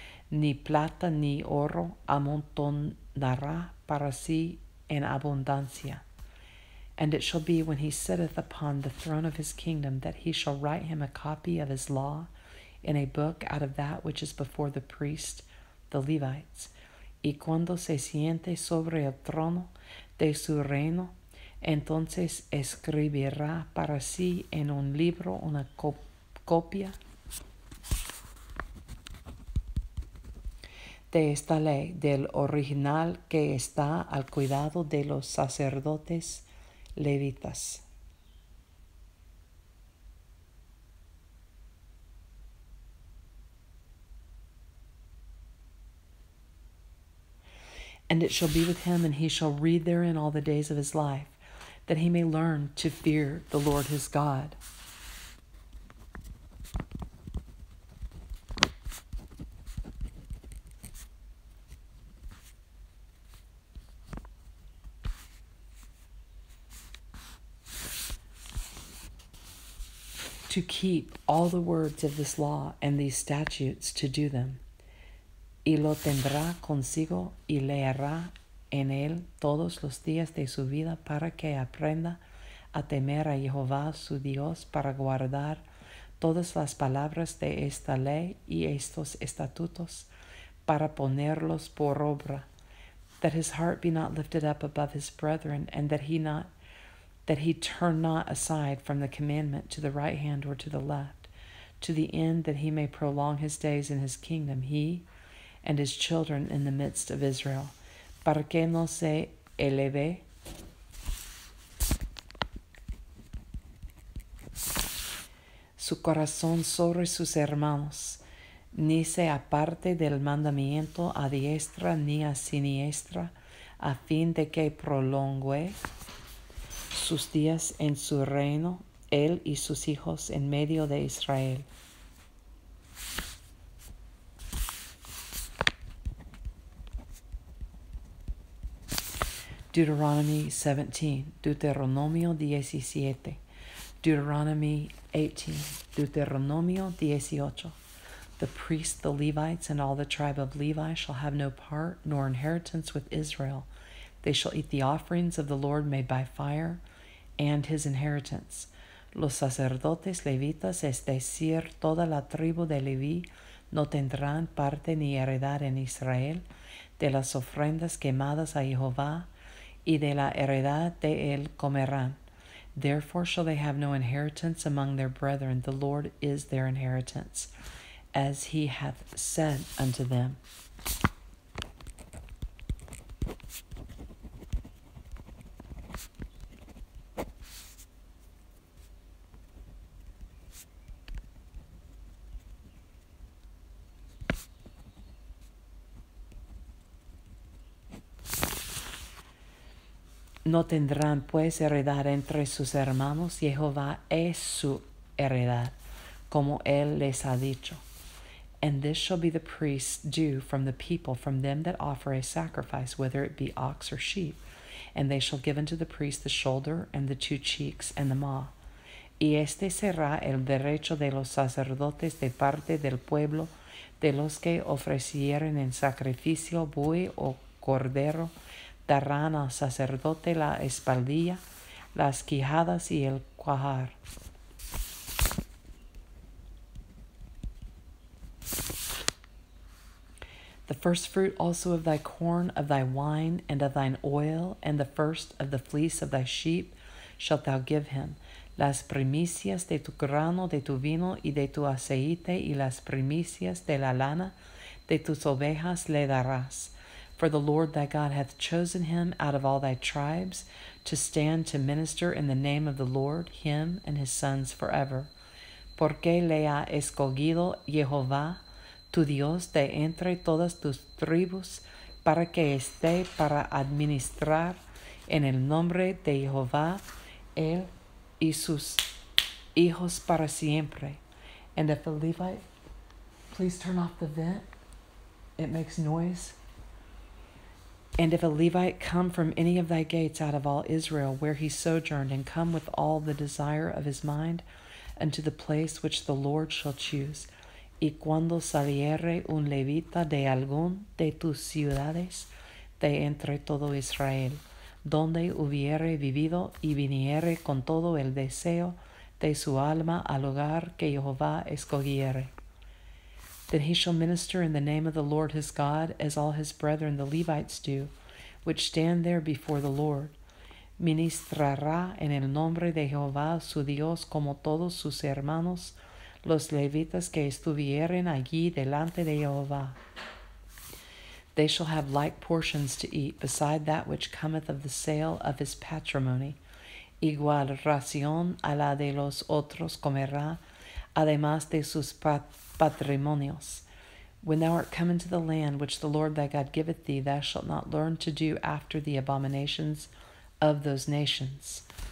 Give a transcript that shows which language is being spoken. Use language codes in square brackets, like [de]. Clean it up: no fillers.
[es] Ni plata ni oro amontonará para sí en abundancia. [en] And it shall be, when he sitteth upon the throne of his kingdom, that he shall write him a copy of his law in a book out of that which is before the priest, the Levites. [es] Y cuando se siente sobre el trono de su reino, entonces escribirá para sí en un libro una copia de esta ley, del original que está al cuidado de los sacerdotes levitas. [en] And it shall be with him, and he shall read therein all the days of his life, that he may learn to fear the Lord his God. To keep all the words of this law and these statutes to do them. [es] Y lo tendrá consigo y leerá en él todos los días de su vida para que aprenda a temer a Jehová su Dios para guardar todas las palabras de esta ley y estos estatutos para ponerlos por obra. [en] That his heart be not lifted up above his brethren, and that he turn not aside from the commandment to the right hand or to the left, to the end that he may prolong his days in his kingdom, he and his children in the midst of Israel. [es] Para que no se eleve su corazón sobre sus hermanos, ni se aparte del mandamiento a diestra ni a siniestra, a fin de que prolongue sus días en su reino, él y sus hijos en medio de Israel. [en] Deuteronomy 17, Deuteronomio 17, Deuteronomy 18, Deuteronomio 18. The priests, the Levites, and all the tribe of Levi shall have no part nor inheritance with Israel. They shall eat the offerings of the Lord made by fire, and his inheritance. [es] los sacerdotes levitas, es decir, toda la tribu de Leví, no tendrán parte ni heredad en Israel de las ofrendas quemadas a Jehová, y de la heredad de él comerán. [en] Therefore shall they have no inheritance among their brethren. The Lord is their inheritance, as he hath said unto them. [es] No tendrán pues heredad entre sus hermanos, y Jehová es su heredad, como él les ha dicho. [en] And this shall be the priest's due from the people, from them that offer a sacrifice, whether it be ox or sheep. And they shall give unto the priest the shoulder, and the two cheeks, and the maw. [es] Y este será el derecho de los sacerdotes de parte del pueblo, de los que ofrecieren en sacrificio buey o cordero. Darán al sacerdote la espaldilla, las quijadas y el cuajar. [en] The first fruit also of thy corn, of thy wine, and of thine oil, and the first of the fleece of thy sheep shalt thou give him. [es] Las primicias de tu grano, de tu vino, y de tu aceite, y las primicias de la lana, de tus ovejas le darás. [en] For the Lord thy God hath chosen him out of all thy tribes to stand to minister in the name of the Lord, him and his sons forever. [es] Porque le ha escogido Jehová, tu Dios, de entre todas tus tribus, para que esté para administrar en el nombre de Jehová, él y sus hijos para siempre. [en] And if the Levite, please turn off the vent, it makes noise. And if a Levite come from any of thy gates out of all Israel, where he sojourned, and come with all the desire of his mind unto the place which the Lord shall choose, [es] y cuando saliere un levita de algún de tus ciudades de entre todo Israel, donde hubiere vivido y viniere con todo el deseo de su alma al lugar que Jehová escogiere. [en] Then he shall minister in the name of the Lord his God, as all his brethren the Levites do, which stand there before the Lord. [es] Ministrará en el nombre de Jehová su Dios como todos sus hermanos, los levitas que estuvieren allí delante de Jehová. [en] They shall have like portions to eat, beside that which cometh of the sale of his patrimony. [es] Igual ración a la de los otros comerá, además de sus patrimonios. [en] When thou art come into the land which the Lord thy God giveth thee, thou shalt not learn to do after the abominations of those nations.